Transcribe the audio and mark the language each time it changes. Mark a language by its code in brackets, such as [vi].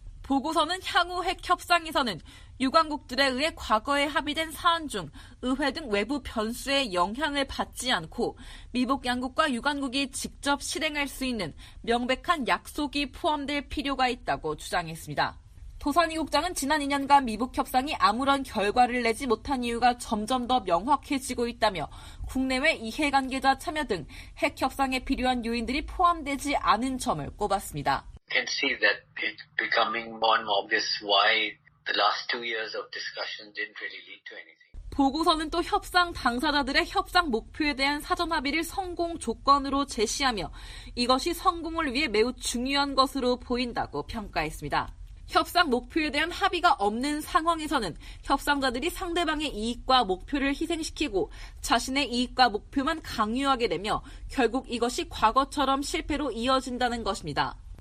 [ko] 보고서는 향후 핵 협상에서는 유관국들에 의해 과거에 합의된 사안 중 의회 등 외부 변수의 영향을 받지 않고 미북 양국과 유관국이 직접 실행할 수 있는 명백한 약속이 포함될 필요가 있다고 주장했습니다. 도산이 국장은 지난 2년간 미북 협상이 아무런 결과를 내지 못한 이유가 점점 더 명확해지고 있다며 국내외 이해관계자 참여 등 핵 협상에 필요한 요인들이 포함되지 않은 점을 꼽았습니다. [en] Can see that it's becoming more and more obvious why the last two years of discussion didn't really lead to anything. [ko] 보고서는 또 협상 당사자들의 협상 목표에 대한 사전 합의를 성공 조건으로 제시하며 이것이 성공을 위해 매우 중요한 것으로 보인다고 평가했습니다. 협상 목표에 대한 합의가 없는 상황에서는 협상자들이 상대방의 이익과 목표를 희생시키고 자신의 이익과 목표만 강요하게 되며 결국 이것이 과거처럼 실패로 이어진다는 것입니다.